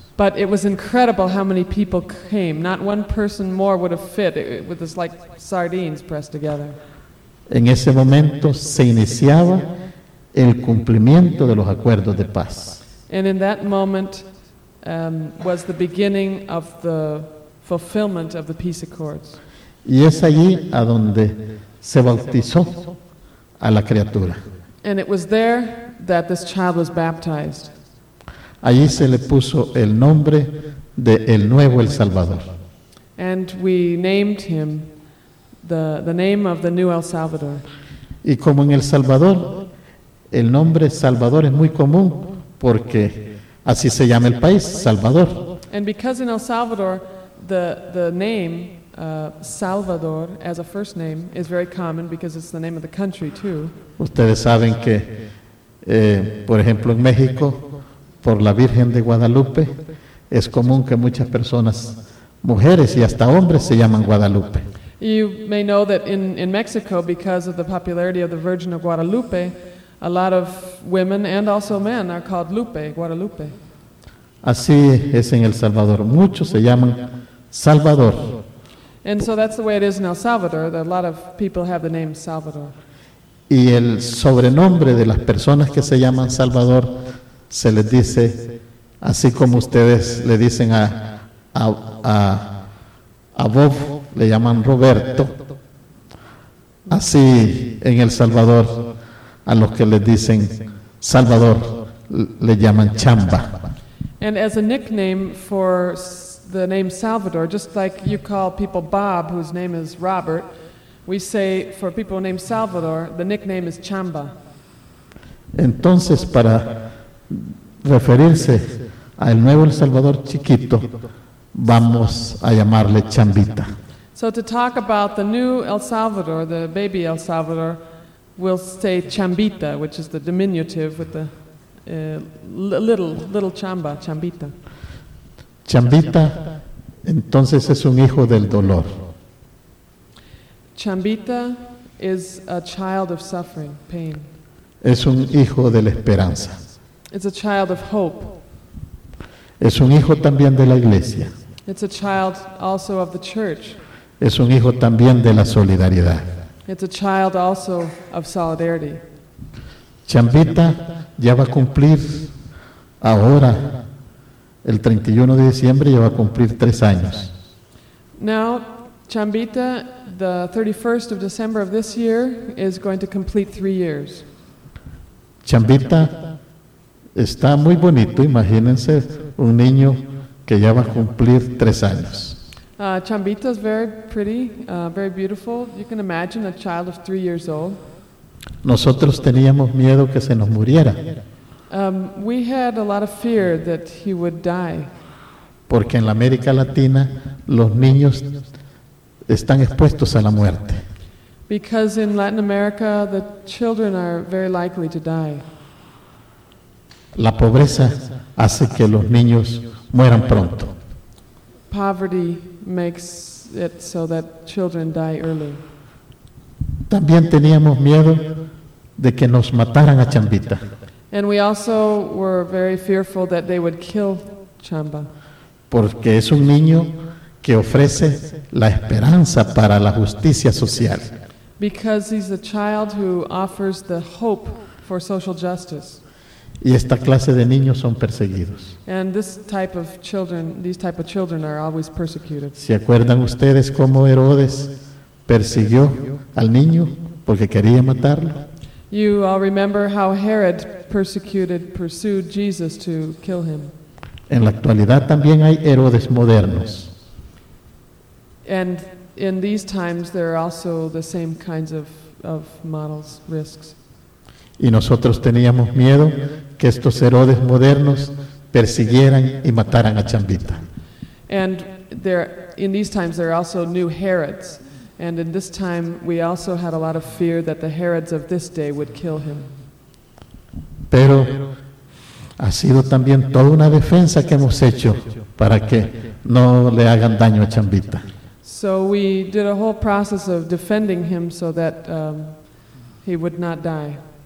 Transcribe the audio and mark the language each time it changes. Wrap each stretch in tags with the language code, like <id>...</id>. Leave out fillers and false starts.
<en>But it was incredible how many people came. Not one person more would have fit. It was like sardines pressed together.</en> <es>En ese momento se iniciaba el cumplimiento de los acuerdos de paz.</es> <en>And in that moment was the beginning of the fulfillment of the peace accords.</en> <es>Y es allí a donde se bautizó a la criatura.</es> <en>And it was there that this child was baptized.</en> <es>Allí se le puso el nombre de El Nuevo El Salvador.</es> <en>And we named him the name of the new El Salvador.</en> <es>Y como en El Salvador, el nombre Salvador es muy común porque así se llama el país, Salvador.</es> <en>And because in El Salvador, the name Salvador, as a first name, is very common because it's the name of the country, too.</en> <es>Ustedes saben que, por ejemplo, en México, por la Virgen de Guadalupe, es común que muchas personas, mujeres y hasta hombres, se llaman Guadalupe.</es> <en>You may know that in Mexico, because of the popularity of the Virgin of Guadalupe, a lot of women and also men are called Lupe, Guadalupe.</en> <es>Así es en El Salvador. Muchos se llaman Salvador.</es> <en>And so that's the way it is in El Salvador, that a lot of people have the name Salvador.</en> <es>Y el sobrenombre de las personas que se llaman Salvador se les dice, así como ustedes le dicen a Bob, le llaman Roberto. Así en El Salvador, a los que les dicen Salvador, le llaman Chamba.</es> <en>And as a nickname for the name Salvador, just like you call people Bob, whose name is Robert, we say for people named Salvador, the nickname is Chamba.</en> <es>Entonces, para referirse al nuevo El Salvador chiquito, vamos a llamarle Chambita.</es> <en>So to talk about the new El Salvador, the baby El Salvador, we'll say Chambita, which is the diminutive with the little Chamba, Chambita.</en> <es>Chambita, entonces, es un hijo del dolor.</es> <en>Chambita is a child of suffering, pain.</en> <es>Es un hijo de la esperanza.</es> <en>It's a child of hope.</en> <es>Es un hijo también de la iglesia.</es> <en>It's a child also of the church.</en> <es>Es un hijo también de la solidaridad.</es> <en>It's a child also of solidarity.</en> <es>Chambita ya va a cumplir ahora, el 31 de diciembre, ya va a cumplir 3 años.</es> <en>Now, Chambita, the 31st of December of this year, is going to complete 3 years.</en> <es>Chambita está muy bonito, imagínense, un niño que ya va a cumplir 3 años.</es> <en>Chambita is very pretty, very beautiful. You can imagine a child of 3 years old.</en> <es>Nosotros teníamos miedo que se nos muriera.</es> <en>We had a lot of fear that he would die.</en> <es>Porque en la América Latina los niños están expuestos a la muerte.</es> <en>Because in Latin America the children are very likely to die.</en> <es>La pobreza hace que los niños mueran pronto.</es> <en>Poverty makes it so that children die early.</en> <es>También teníamos miedo de que nos mataran a Chambita.</es> <en>And we also were very fearful that they would kill Chamba.</en> <es>Porque es un niño que ofrece la esperanza para la justicia social.</es> <en>Because he's a child who offers the hope for social justice.</en> <es>Y esta clase de niños son perseguidos.</es> <en>And this type of children, these type of children are always persecuted.</en> <es>¿Se acuerdan ustedes cómo Herodes persiguió al niño porque quería matarlo?</es> <en>You all remember how Herod pursued Jesus to kill him.</en> <es>En la actualidad también hay Herodes modernos.</es> <en>And in these times there are also the same kinds of models, risks.</en> <es>Y nosotros teníamos miedo que estos Herodes modernos persiguieran y mataran a Chambita.</es> <en>And there, in these times there are also new Herods. And in this time we also had a lot of fear that the Herods of this day would kill him.</en> <es>Pero ha sido también toda una defensa que hemos hecho para que no le hagan daño a Chambita.</es> <en>So we did a whole process of defending him so that he would not die.</en>